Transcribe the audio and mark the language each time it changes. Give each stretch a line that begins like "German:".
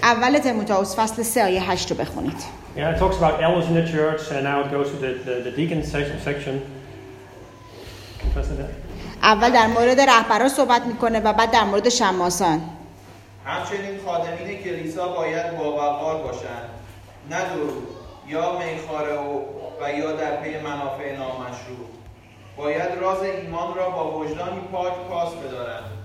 Persian: اول تیموتائوس فصل 3 آیه 8 رو بخونید.
English: Yeah, it talks about elders in the church, and now it goes to the deacon section.
Persian: اول در مورد رهبرا صحبت میکنه و بعد در مورد شماسان. همچنین خادمین کلیسا باید باوقار باشند، نه دروغ یا میخواره و یا در پی منافع نامشروع. باید راز ایمان را با وجدانی پاک پاس بدارند.